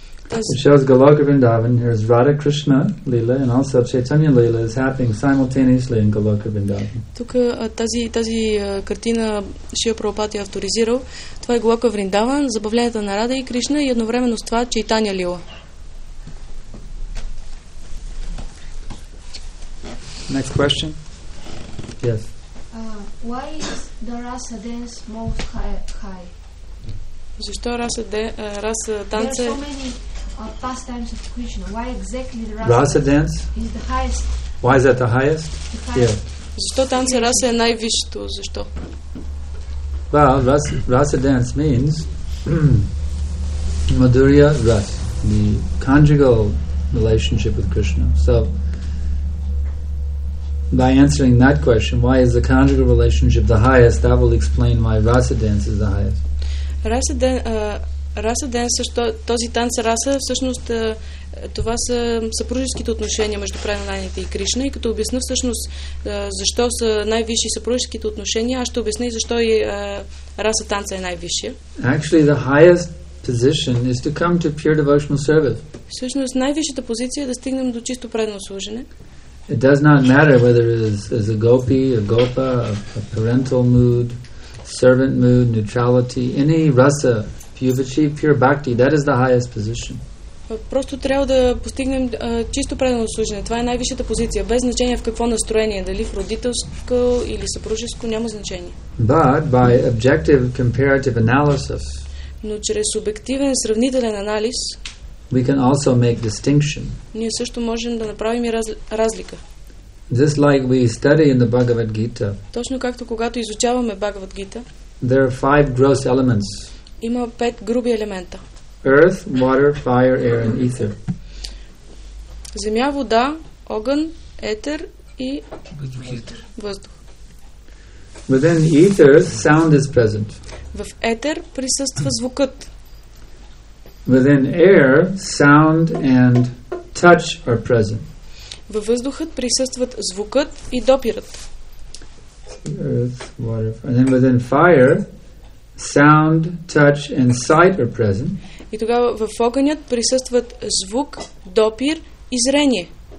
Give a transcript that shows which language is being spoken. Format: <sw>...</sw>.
<en>It shows Goloka Vrindavan. Here's Radha Krishna Lila and also Chaitanya Lila is happening simultaneously in Goloka Vrindavan.</en> <bg>Тук тази картина Шива Прабхупада я авторизирал. Това е Голока Вриндаван, забавленията на Рада и Кришна и едновременно с това Чайтанья Лила.</bg> <en>Next question. Yes. Why is the rasa dance most high?</en> <bg>Защо раса раса танце?</bg> <en>There are so many pastimes of Krishna. Why exactly the rasa dance is the highest? Why is that the highest? Yeah.</en> <bg>Защо танце раса е най-висшето? Защо?</bg> <en>Well, rasa dance means madhurya rasa, the conjugal relationship with Krishna. So by answering that question, why is the conjugal relationship the highest, that will explain why rasa dance is the highest.</en> <bg>Rasa dance, този танц раса, всъщност това са съпружеските отношения между Прананайните и Кришна, и като обясня всъщност защо са най-висши съпружеските отношения, аз ще обясня и защо и раса танца е най-висшия.</bg> <en>Actually, the highest position is to come to pure devotional service.</en> <bg>Всъщност най-висшата позиция е да стигнем до чисто предно служене.</bg> <en>It does not matter whether it is a gopi, a gopa, a parental mood, servant mood, neutrality, any rasa. If you've achieved pure bhakti, that is the highest position.</en> <bg>Просто трябва да постигнем чисто предано служене. Това е най-висшата позиция. Без значение в какво настроение, дали в родителско или съпружеско, няма значение.</bg> <en>But by objective comparative analysis,</en> <bg>но чрез обективен сравнителен анализ,</bg> <en>we can also make distinction.</en> <bg>Ние също можем да направим и разлика.</bg> <en>Just like we study in the Bhagavad Gita.</en> <bg>Точно както когато изучаваме Бхагавад Гита.</bg> <en>There are five gross elements.</en> <bg>Има пет груби елемента.</bg> <en>Earth, water, fire, air and ether.</en> <bg>Земя, вода, огън, етер и въздух.</bg> <en>Within ether, sound is present.</en> <bg>В етер присъства звукът.</bg> <en>Within air, sound and touch are present.</en> <bg>Във въздухът присъстват звукът и допирът.</bg> <en>Earth, water, fire. And then within fire, sound, touch and sight are present.</en> <bg>И тогава в огънят присъстват звук, допир и зрение.</bg>